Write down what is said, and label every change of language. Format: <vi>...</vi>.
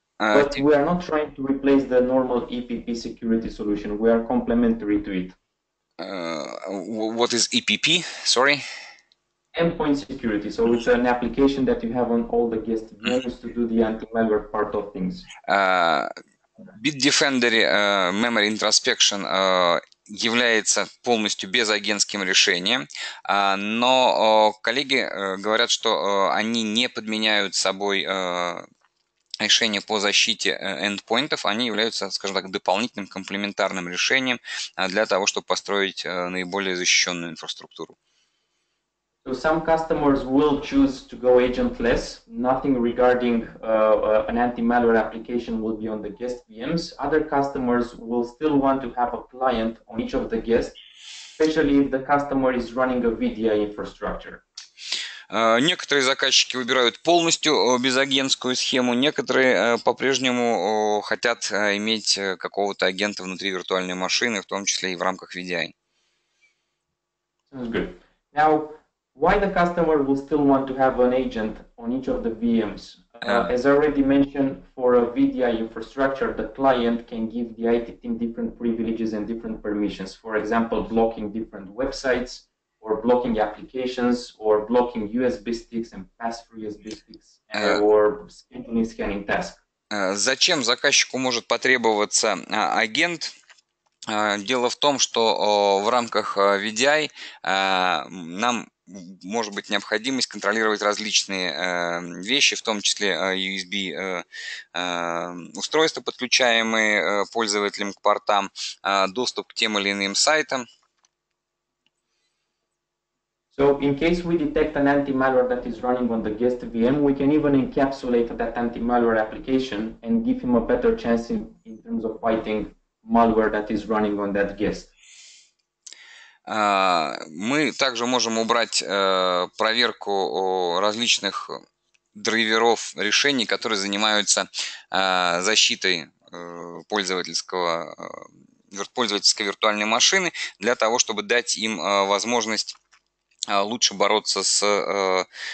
<en>But we are not trying to replace the normal EPP security solution. We are complementary to it. What is EPP? Sorry. Endpoint security. So it's an application that you have on all the guest VMs to do the anti-malware part of things.</en> <ru>Bitdefender memory introspection является полностью безагентским решением, но коллеги говорят, что они не подменяют собой решения по защите эндпоинтов, они являются, скажем так, дополнительным комплементарным решением для того, чтобы построить наиболее защищенную инфраструктуру.</ru> <en>So some customers will choose to go agentless. Nothing regarding an anti-malware application will be on the guest VMs. Other customers will still want to have a client on each of the guests, especially if the customer is running a VDI infrastructure.</en> <ru>Некоторые заказчики выбирают полностью безагентскую схему, некоторые по-прежнему хотят иметь какого-то агента внутри виртуальной машины, в том числе и в рамках VDI.</ru> <en>Sounds good. Now, why the customer will still want to have an agent on each of the VMs? As I already mentioned, for a VDI infrastructure, the client can give the IT team different privileges and different permissions. For example, blocking different websites, or blocking applications, or blocking USB sticks and pass-through USB sticks, or scheduling scanning tasks.</en> <ru>Зачем заказчику может потребоваться агент? Дело в том, что в рамках VDI нам может быть необходимость контролировать различные вещи, в том числе USB устройства, подключаемые пользователем к портам, доступ к тем или иным сайтам.</ru> <en>So in case we detect an anti-malware that is running on the guest VM, we can even encapsulate that anti-malware application and give him a better chance in terms of fighting malware that is running on that guest.</en> <ru>Мы также можем убрать проверку различных драйверов решений, которые занимаются защитой пользовательской виртуальной машины, для того, чтобы дать им возможность лучше бороться с</ru>